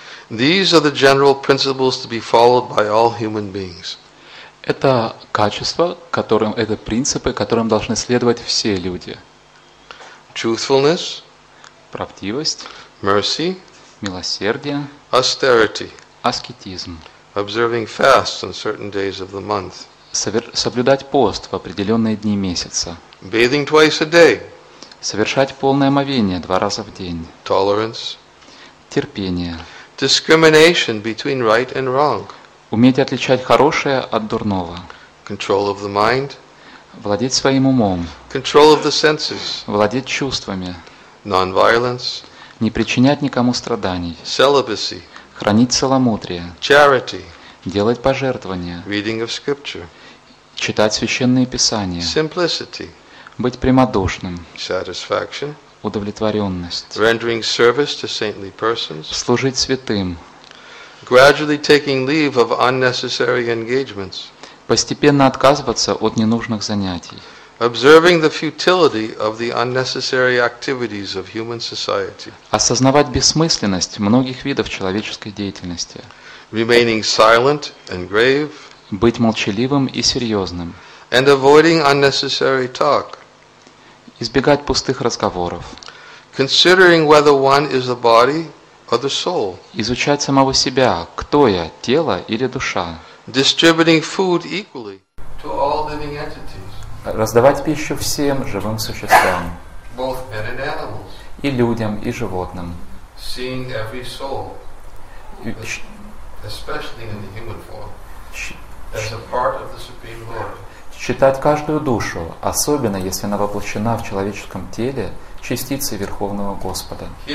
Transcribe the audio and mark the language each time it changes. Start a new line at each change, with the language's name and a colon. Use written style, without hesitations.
English: These are the general principles to be followed by all human beings.
Russian: Это качества, которым это принципы, которым должны следовать все люди.
English: Truthfulness.
Russian: Правдивость.
English: Mercy.
Russian: Милосердие.
English: Austerity.
Russian: Аскетизм.
English: Observing fasts on certain days of the month.
Russian: Соблюдать пост в определенные дни месяца.
English: Bathing twice a day.
Russian: Совершать полное омовение два раза в день.
English: Tolerance.
Russian: Терпение.
English: Discrimination between right and wrong.
Russian: Уметь отличать хорошее от дурного.
English: Control of the mind.
Russian: Владеть своим умом.
English: Control of the senses.
Russian: Владеть чувствами.
English: Non-violence.
Russian: Не причинять никому страданий.
English: Celibacy.
Russian: Хранить целомудрие.
English: Charity.
Russian: Делать пожертвования.
English: Reading of scripture.
Russian: Читать священные писания.
English: Simplicity.
Russian: Быть прямодушным.
English: Satisfaction.
Russian: Удовлетворенность.
English: Rendering service to saintly persons.
Russian: Служить святым.
English: Gradually taking leave of unnecessary engagements.
Russian: Постепенно отказываться от ненужных занятий.
English: Observing the futility of the unnecessary activities of human society.
Russian: Осознавать бессмысленность многих видов человеческой деятельности.
English: Remaining silent and grave.
Russian: Быть молчаливым и серьезным.
English: And avoiding unnecessary talk.
Russian: Избегать пустых разговоров.
English: Considering whether one is the body or the soul.
Russian: Изучать самого себя, кто я, тело или душа.
English: Distributing food equally to all living entities.
Russian: Раздавать пищу всем живым существам.
English: Both men and animals.
Russian: И людям, и животным.
English: Seeing every soul. Especially in the human form, as a part of the Supreme Lord.
Russian: Считать каждую душу, особенно если она воплощена в человеческом теле, частицы Верховного Господа.